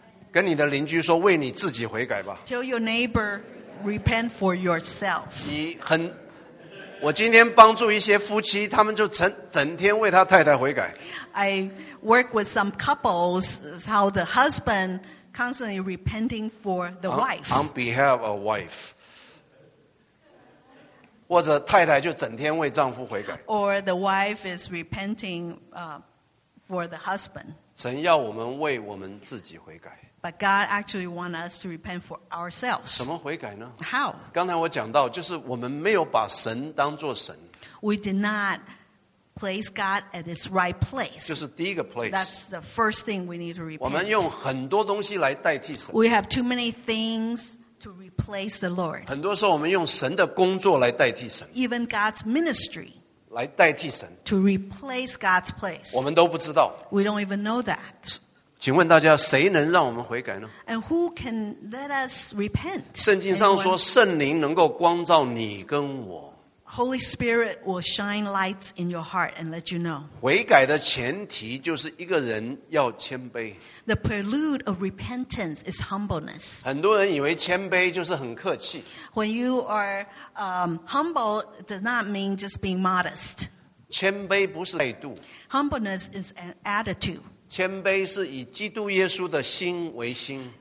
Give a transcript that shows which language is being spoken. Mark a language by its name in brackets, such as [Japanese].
[Chinese] 跟你的邻居说, 为你自己悔改吧。 [English] Tell your neighbor, repent for yourself. [Chinese] 你很, 我今天帮助一些夫妻, 他们就成, 整天为他太太悔改。 [English] I work with some couples, how the husband constantly repenting for the wife. On behalf of wife. [Chinese] 或者太太就整天为丈夫悔改。 [English] Or the wife is repenting for the husband. [Chinese] 神要我们为我们自己悔改。 [English] But God actually wants us to repent for ourselves. [Chinese] 什么悔改呢? [English] How? [Chinese] 刚才我讲到, 就是我们没有把神当作神。 [English] We did not place God at its right place. [Chinese] 就是第一个 place. [English] That's the first thing we need to repent. [Chinese] 我们用很多东西来代替神。 [English] We have too many things to replace the Lord. [Chinese] 很多时候我们用神的工作来代替神, [English] even God's ministry, [Chinese] 来代替神, [English] to replace God's place. [Chinese] 我们都不知道, [English] we don't even know that. [Chinese] 请问大家, 谁能让我们悔改呢? [English] And who can let us repent? [Chinese] 圣经上说, 圣灵能够光照你跟我。 [English] Holy Spirit will shine lights in your heart and let you know. [Chinese] 悔改的前提就是一个人要谦卑。 [English] The prelude of repentance is humbleness. [Chinese] 很多人以为谦卑就是很客气。 [English] When you are humble, does not mean just being modest. [Chinese] 谦卑不是态度。 [English] Humbleness is an attitude. [Chinese] 谦卑是以基督耶稣的心为心。